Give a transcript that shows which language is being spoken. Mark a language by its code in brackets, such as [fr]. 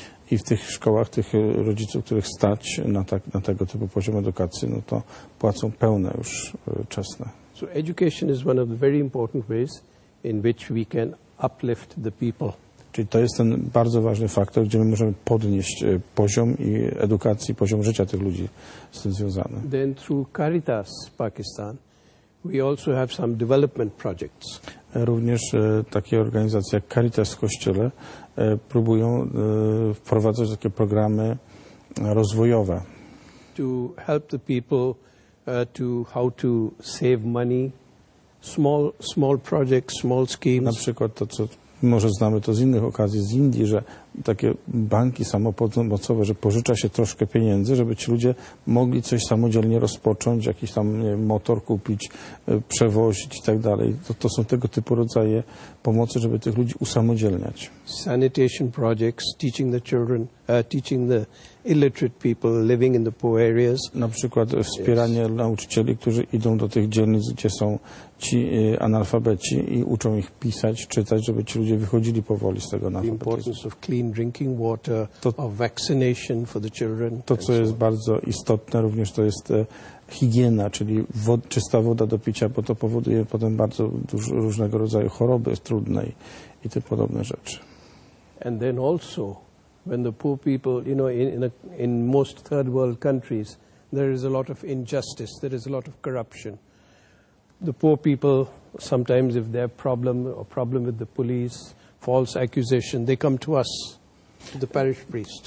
[pl] I w tych szkołach, tych rodziców, których stać na tego typu poziom edukacji, no to płacą pełne już czesne. [en] So education is one of the very important ways in which we can uplift the people. [pl] Czyli to jest ten bardzo ważny faktor, gdzie my możemy podnieść poziom i edukacji, poziom życia tych ludzi z tym związany. [en] Then through Caritas Pakistan, we also have some development projects. [pl] Również takie organizacje jak Caritas w Kościele próbują wprowadzać takie programy rozwojowe. [en] To help the people to how to save money, small projects, small schemes. [pl] Na przykład to, co może znamy to z innych okazji, z Indii, że takie banki samopomocowe, że pożycza się troszkę pieniędzy, żeby ci ludzie mogli coś samodzielnie rozpocząć, jakiś tam motor kupić, przewozić i tak dalej. To są tego typu rodzaje pomocy, żeby tych ludzi usamodzielniać. [en] Sanitation projects, teaching the children, teaching the illiterate people living in the poor areas. [pl] Na przykład wspieranie yes. nauczycieli, którzy idą do tych dzielnic, gdzie są ci analfabeci i uczą ich pisać, czytać, żeby ci ludzie wychodzili powoli z tego analfabetyzmu. [en] Clean drinking water, to, of vaccination for the children. [pl] To, co jest bardzo istotne również, to jest higiena, czyli czysta woda do picia, bo to powoduje potem bardzo dużo różnego rodzaju choroby trudnej i te podobne rzeczy. [en] And then also, when the poor people, you know, in most third world countries, there is a lot of injustice, there is a lot of corruption. The poor people, sometimes if they have a problem with the police, false accusation, they come to us, to the parish priest.